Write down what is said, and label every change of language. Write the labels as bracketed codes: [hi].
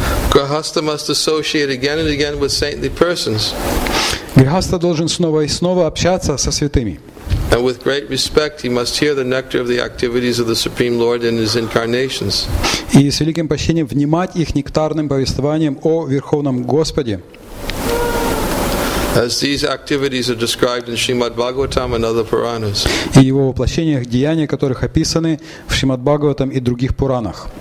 [en] Grihastha must associate again and again with saintly persons. [ru] Grihastha должен снова и снова общаться со святыми. [en] And with great respect he must hear the nectar of the activities of the Supreme Lord in his incarnations. [ru] И с великим почтением внимать их нектарным повествованием о Верховном Господе. [en] As these activities are described in Srimad Bhagavatam and other Puranas. [ru] И его воплощениях, деяния которых описаны в Шримад Бхагаватам и других Пуранах.